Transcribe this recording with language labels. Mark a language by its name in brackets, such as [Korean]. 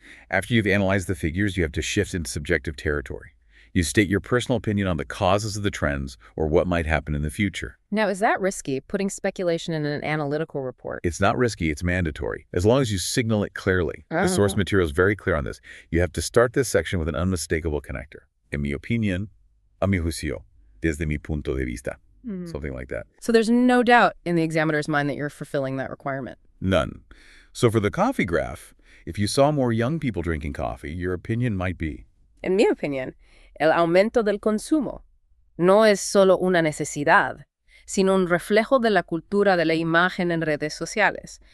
[English] After you've analyzed the figures, you have to shift into subjective territory. You state your personal opinion on the causes of the trends or what might happen in the future. Now, is that risky, putting speculation in an analytical report? It's not risky. It's mandatory. As long as you signal it clearly. Oh. The source material is very clear on this. You have to start this section with an unmistakable connector. [Spanish] En mi opinión, a mi juicio, desde mi punto de vista. Mm-hmm. [English] Something like that. So there's no doubt in the examiner's mind that you're fulfilling that requirement. None. So for the coffee graph, if you saw more young people drinking coffee, your opinion might be. [Spanish] En mi opinión, el aumento del consumo no es solo una necesidad, sino un reflejo de la cultura de la imagen en redes sociales.